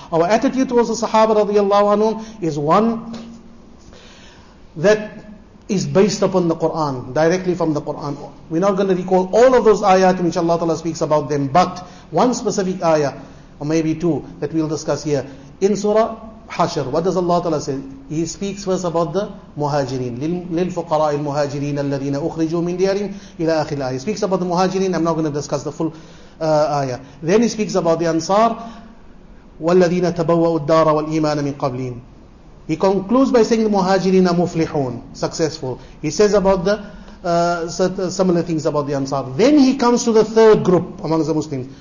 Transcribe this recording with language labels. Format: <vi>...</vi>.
<en>Our attitude towards the Sahaba radiallahu anhum is one that is based upon the Quran, directly from the Quran. We're not going to recall all of those ayat in which Allah Ta'ala speaks about them, but one specific ayah, or maybe two, that we'll discuss here. In Surah Hashr, what does Allah Ta'ala say? He speaks first about the Muhajirin.</en> <ar>لِلْفُقَرَاءِ الْمُهَاجِرِينَ الَّذِينَ أُخْرِجُوا مِنْ دِيَارٍ إِلَىٰ آخِرِ الْآيَةِ.</ar> <en>He speaks about the Muhajirin. I'm not going to discuss the full ayah. Then he speaks about the Ansar.</en> <ar>وَالَّذِينَ تَبَوَّأُ الدَّارَ وَالْإِيمَانَ مِنْ قَبْلِينَ.</ar> <en>He concludes by saying the Muhajirin are muflihun, successful. He says about the similar things about the Ansar. Then he comes to the third group among the Muslims.</en>